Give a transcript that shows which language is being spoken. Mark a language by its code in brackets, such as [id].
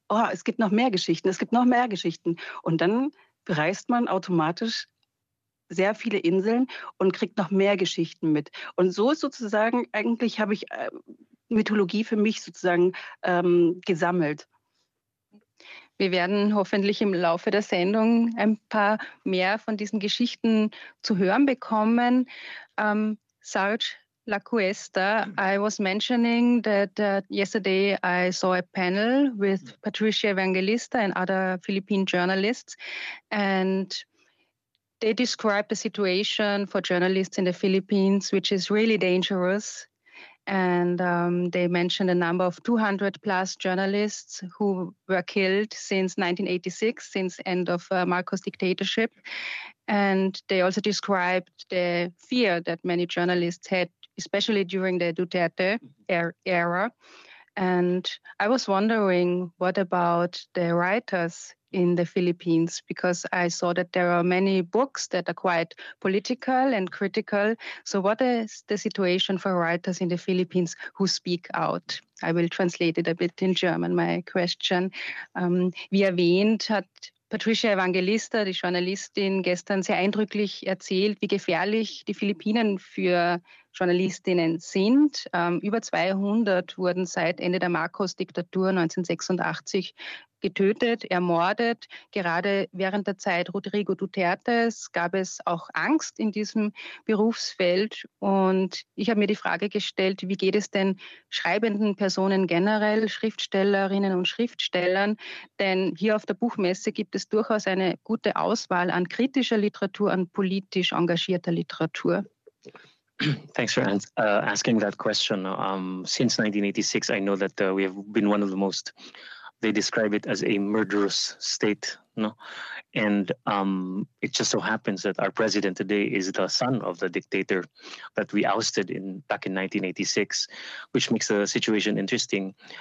[de] Oh, es gibt noch mehr Geschichten, es gibt noch mehr Geschichten. Und dann bereist man automatisch sehr viele Inseln und kriegt noch mehr Geschichten mit. Und so ist sozusagen, eigentlich habe ich Mythologie für mich sozusagen gesammelt. Wir werden hoffentlich im Laufe der Sendung ein paar mehr von diesen Geschichten zu hören bekommen. [en] Sarge Lacuesta, I was mentioning that yesterday I saw a panel with Patricia Evangelista and other Philippine journalists, and they described the situation for journalists in the Philippines, which is really dangerous. And they mentioned a number of 200 plus journalists who were killed since 1986, since end of Marcos dictatorship. And they also described the fear that many journalists had, especially during the Duterte era. And I was wondering, what about the writers in the Philippines? Because I saw that there are many books that are quite political and critical. So what is the situation for writers in the Philippines who speak out? I will translate it a bit in German, my question. [de] Wie erwähnt, hat Patricia Evangelista, die Journalistin, gestern sehr eindrücklich erzählt, wie gefährlich die Philippinen für Journalistinnen sind. Über 200 wurden seit Ende der Marcos-Diktatur 1986 getötet, ermordet. Gerade während der Zeit Rodrigo Dutertes gab es auch Angst in diesem Berufsfeld. Und ich habe mir die Frage gestellt, wie geht es denn schreibenden Personen generell, Schriftstellerinnen und Schriftstellern? Denn hier auf der Buchmesse gibt es durchaus eine gute Auswahl an kritischer Literatur, an politisch engagierter Literatur. [en] Thanks for asking that question. Since 1986, I know that we have been one of the most, they describe it as a murderous state, no? And it just so happens that our president today is the son of the dictator that we ousted in back in 1986, which makes the situation interesting.